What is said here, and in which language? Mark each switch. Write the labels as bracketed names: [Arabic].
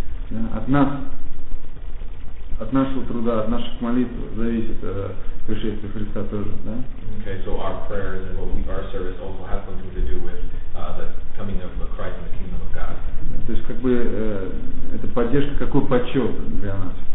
[Russian] Да, от нас, от нашего труда, от наших молитв зависит пришествие Христа тоже, да? [English] Okay, so our prayers and what we, our service also has something to do with the coming of Christ and the kingdom of God. [Russian] Да, то есть как бы это поддержка, какой почет для нас?